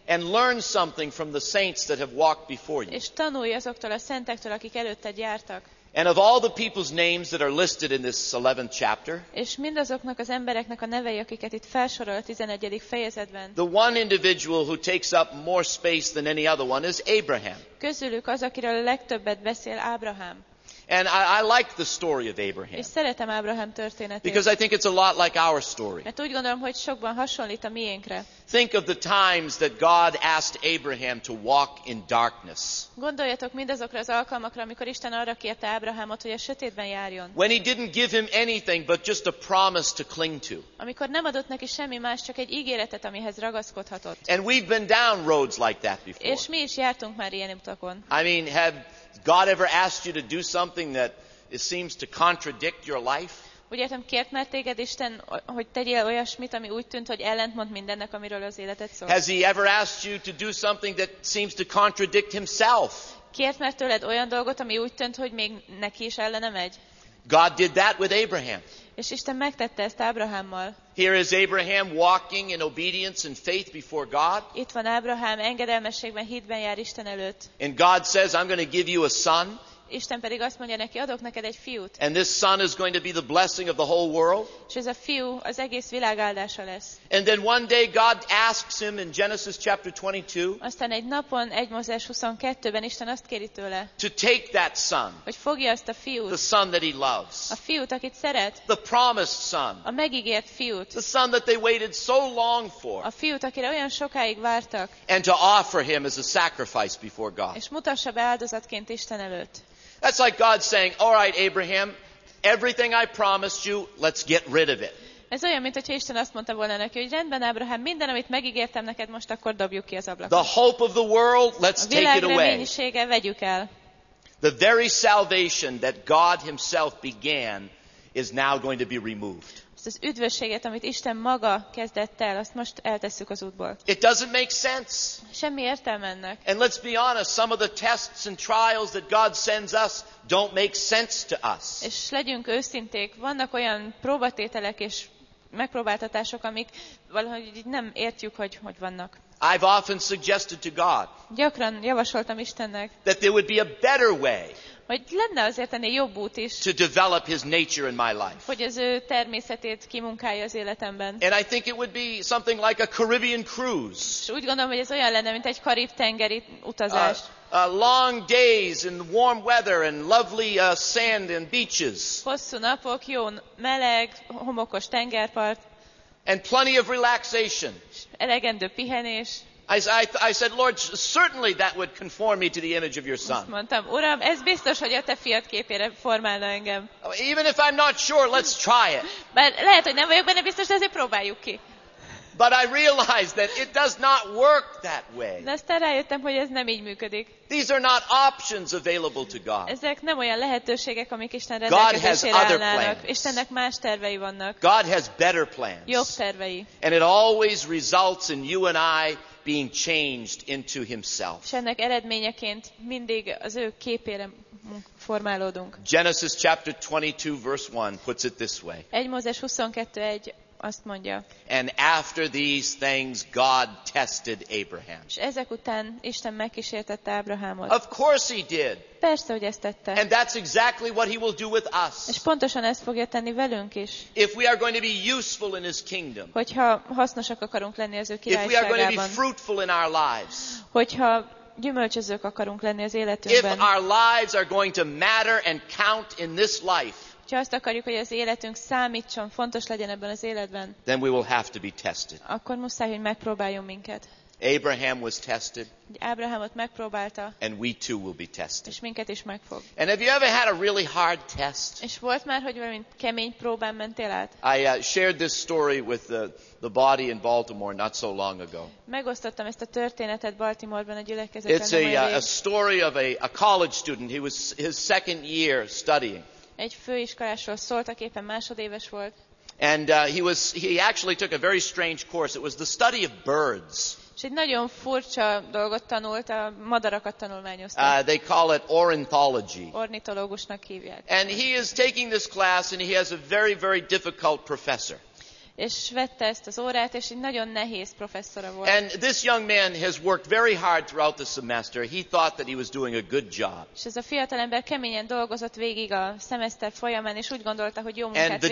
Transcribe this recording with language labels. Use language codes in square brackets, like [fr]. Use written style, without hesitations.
[en] And learn something from the saints that have walked before you. [hu] És tanulj azoktól a szentektől, akik előtted jártak. [en] And of all the people's names that are listed in this 11th chapter, [hu] és mindazoknak az embereknek a nevei, akiket itt felsorol a 11. fejezetben, [en] the one individual who takes up more space than any other one is Abraham. [hu] Közülük az, akiről a legtöbbet beszél Ábrahám. [en] And I like the story of Abraham. [hu] És szeretem Ábrahám történetét. [en] Because I think it's a lot like our story. [hu] Mert úgy gondolom, hogy sokban hasonlít a miénkre. [en] Think of the times that God asked Abraham to walk in darkness. [hu] Gondoljatok mindazokra az alkalmakra, amikor Isten arra kérte Ábrahámot, hogy a sötétben járjon. [en] When he didn't give him anything but just a promise to cling to. [hu] Amikor nem adott neki semmi más, csak egy ígéretet, amihez ragaszkodhatott. [en] And we've been down roads like that before. [hu] És mi is jártunk már ilyen utakon. [en] I mean, have God ever asked you to do something that it seems to contradict your life? [hu] Úgy értem, kért már téged Isten, hogy tegyél olyasmit, ami úgy tűnt, hogy ellentmond mindennek, amiről az életed szól. [en] Has he ever asked you to do something that seems to contradict himself? [hu] Kért már tőled olyan dolgot, ami úgy tűnt, hogy még neki is ellene megy? [en] God did that with Abraham. [hu] És Isten megtette ezt Ábrahámmal. [en] Here is Abraham walking in obedience and faith before God. [hu] Itt van Ábrahám, engedelmességben, hitben jár Isten előtt. [en] And God says, I'm going to give you a son. [hu] Isten pedig azt mondja neki, adok neked egy fiút. [en] And this son is going to be the blessing of the whole world. [hu] És ez a fiú az egész világ áldása lesz. [en] And then one day God asks him in Genesis chapter 22. [hu] Aztán egy napon, 1 Mózes 22-ben Isten azt kéri tőle. [en] To take that son. [hu] Hogy fogja azt a fiút. [en] The son that he loves. [hu] A fiút, akit szeret. [en] The promised son. [hu] A megígért fiút. [en] The son that they waited so long for. [hu] A fiút, akire olyan sokáig vártak. [en] And to offer him as a sacrifice before God. [hu] És mutassa be áldozatként Isten előtt. [en] That's like God saying, "All right, Abraham, everything I promised you, let's get rid of it." [hu] Ez olyan, mint hogy Isten azt mondta volna neki, hogy rendben, Ábrahám, minden, amit megígértem neked, most akkor dobjuk ki az ablakon. [en] The hope of the world, let's take it away. [hu] A világ reménysége, vegyük el. [en] The very salvation that God himself began is now going to be removed. [hu] Az üdvösséget, amit Isten maga kezdett el, azt most eltesszük az útból. [en] It doesn't make sense. [hu] Semmi értelme ennek. [en] And let's be honest, some of the tests and trials that God sends us don't make sense to us. [hu] És legyünk őszinték, vannak olyan próbatételek és megpróbáltatások, amik valahogy nem értjük, hogy vannak. [en] I've often suggested to God [hu] gyakran javasoltam Istennek, [en] that there would be a better way. [hu] hogy lenne azért ennél jobb út is. [en] To develop his nature in my life. [hu] Hogy az ő természetét kimunkálja az életemben. [en] And I think it would be something like a Caribbean cruise. [hu] És úgy gondolom, hogy ez olyan lenne, mint egy Karib-tengeri utazás. [en] Long days and warm weather and lovely sand and beaches. [hu] Hosszú napok, jó meleg, homokos tengerpart. [en] And plenty of relaxation. [hu] Elegendő pihenés. [en] I said, Lord, certainly that would conform me to the image of your son. [hu] Mondtam, Uram, ez biztos, hogy a te fiad képére formálna engem. [en] Even if I'm not sure, let's try it. [hu] Bár lehet, hogy nem vagyok benne biztos, de azért próbáljuk ki. [en] But I realized that it does not work that way. [hu] De aztán rájöttem, hogy ez nem így működik. [en] These are not options available to God. [hu] Ezek nem olyan lehetőségek, amik Isten rendelkezésére állnak. Istennek más tervei vannak. [en] God has better plans. [hu] Jobb tervei. [en] And it always results in you and I being changed into himself. [hu] És ennek eredményeként mindig az ő képére formálódunk. [en] Genesis chapter 22 verse 1 puts it this way. [hu] 1 Mózes 22:1 azt mondja. [en] And after these things God tested Abraham. [hu] És ezek után Isten megkísértette Ábrahámot. [en] Of course he did. [hu] Persze, hogy ezt tette. [en] And that's exactly what he will do with us. [hu] És pontosan ezt fogja tenni velünk is. [en] If we are going to be useful in his kingdom. [hu] Hogyha hasznosak akarunk lenni az ő királyságában. [en] If we are going to be fruitful in our lives. [hu] Hogyha gyümölcsözők akarunk lenni az életünkben. [en] If our lives are going to matter and count in this life. [hu] Ha azt akarjuk, hogy az életünk számítson, fontos legyen ebben az életben. [en] Then we will have to be tested. [hu] Akkor muszáj, hogy megpróbáljon minket. [en] Abraham was tested. [hu] Ábrahámot megpróbálta. [en] And we too will be tested. [hu] És minket is megfog. [en] And have you ever had a really hard test? [hu] És volt már, hogy valami kemény próbán mentél át? [en] I shared this story with the body in Baltimore not so long ago. [hu] Megosztottam ezt a történetet Baltimoreban a gyülekezetben. [en] It's a story of a college student. He was his second year studying. [hu] Egy főiskolásról szólt, aki éppen másodéves volt. [en] And he actually took a very strange course. It was the study of birds. [hu] És egy nagyon furcsa dolgot tanult, a madarakat tanulmányozta. [en] They call it ornithology. [hu] Ornitológusnak hívják. [en] And he is taking this class and he has a very, very difficult professor. [hu] És vette ezt az órát, és egy nagyon nehéz professzora volt. [en] And this young man has worked very hard throughout the semester. He thought that he was doing a good job. [hu] És ez a fiatalember keményen dolgozott végig a szemeszter folyamán, és úgy gondolta, hogy jó munkát végzett.